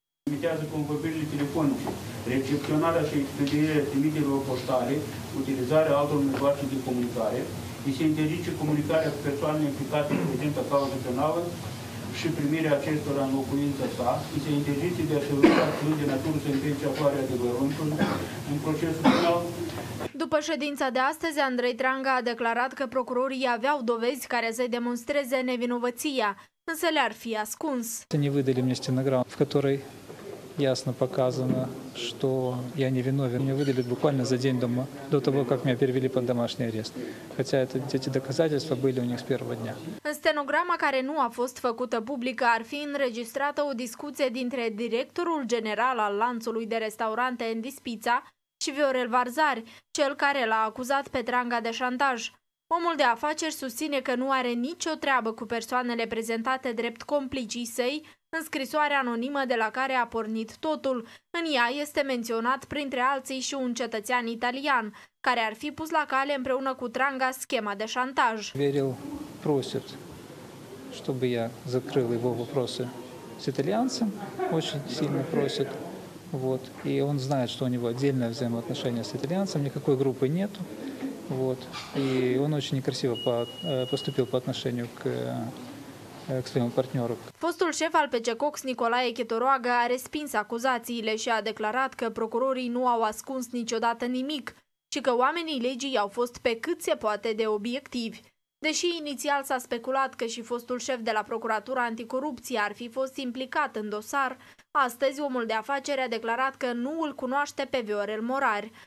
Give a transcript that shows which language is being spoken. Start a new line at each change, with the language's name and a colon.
Romanian: Limitează convorbirile telefonice, recepționarea și expedierea trimiterilor poștale, utilizarea altor mijloace de comunicare, îi se interzice comunicarea cu persoanele implicate în prezentă cauză penală și primirea acestora în locuința sa, îi se interzice de a-și lua acțiuni de natură să împiedice aflarea adevărului în procesul penal. După ședința de astăzi, Andrei Dranga a declarat că procurorii aveau dovezi care să-i demonstreze nevinovăția. însă le-ar fi ascuns.
Russian: Не выдали мне стенограмму, в которой ясно показано, что я не виновен. Мне выдали буквально за день до того, как меня перевели под домашний арест. Хотя эти доказательства были у них с первого дня.
Romanian: În stenograma care nu a fost făcută publică ar fi înregistrată o discuție dintre directorul general al lanțului de restaurante în Dispița și Viorel Varzari, cel care l-a acuzat pe Dranga de șantaj. Omul de afaceri susține că nu are nicio treabă cu persoanele prezentate drept complicii săi în scrisoarea anonimă de la care a pornit totul. În ea este menționat printre alții și un cetățean italian, care ar fi pus la cale împreună cu Dranga schema de șantaj.
Russian: Viril prosit, чтобы я закрыл его вопросы с итальянцем, очень сильно просит. Вот. И он знает, что у него отдельное взаимоотношение с итальянцем, никакой группы нету. Вот. И он очень некрасиво поступил по отношению к своему партнеру.
Romanian: Fostul șef al PC Cox, Nicolae Chetoroagă, a respins acuzațiile și a declarat că procurorii nu au ascuns niciodată nimic și că oamenii legii au fost pe cât se poate de obiectivi. Deși inițial s-a speculat că și fostul șef de la Procuratura Anticorupție ar fi fost implicat în dosar, astăzi omul de afaceri a declarat că nu îl cunoaște pe Viorel Morari.